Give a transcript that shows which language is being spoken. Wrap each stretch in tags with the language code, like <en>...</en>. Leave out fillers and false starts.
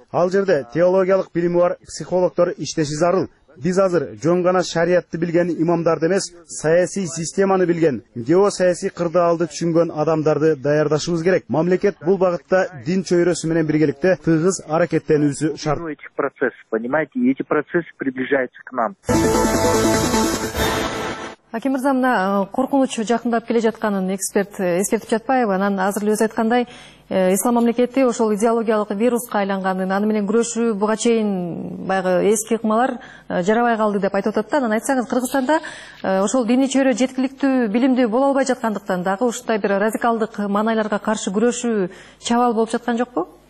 <ky>Ал жерде теологиялык билими бар психологдор иштеши зарыл. Биз азыр жөн гана шариятты билген имамдарды эмес, саясий системаны билген, геосаясий кырдаалды түшүнгөн адамдарды даярдашыбыз керек. Мамлекет бул багытта дин чөйрөсү менен биргеликте тыгыз аракеттенүүсү шарт.</ky> <ru>Эти процессы, понимаете, эти процессы приближаются к нам.</ru> <ky>Аким мырза, мына коркунуч жакындап келе жатканын эксперт эскертип жатпайбы? Анан азыр эле өзү айткандай, ислам мамлекети ошол идеологиялык вируска айланганын, аны менен күрөшүү буга чейин баягы эски ыкмалар жарабай калды деп айтып атат да, анан айтсаңыз, Кыргызстанда ошол диний чөйрө жеткиликтүү, билимдүү боло албай жаткандыктан дагы ушундай бир радикалдык маанайларга каршы күрөшүү чабал болуп жаткан жокпу?</ky>